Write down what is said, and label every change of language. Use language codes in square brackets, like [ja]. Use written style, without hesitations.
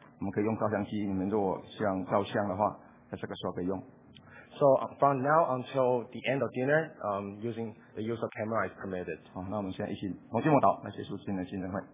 [zh] 我们可以用照相机，你们如果想照相的话，在这个时候可以用。 [en] So from now until the end of dinner, using the use of camera is permitted. [zh] 好，那我们现在一起同心默祷来结束今天的新年会。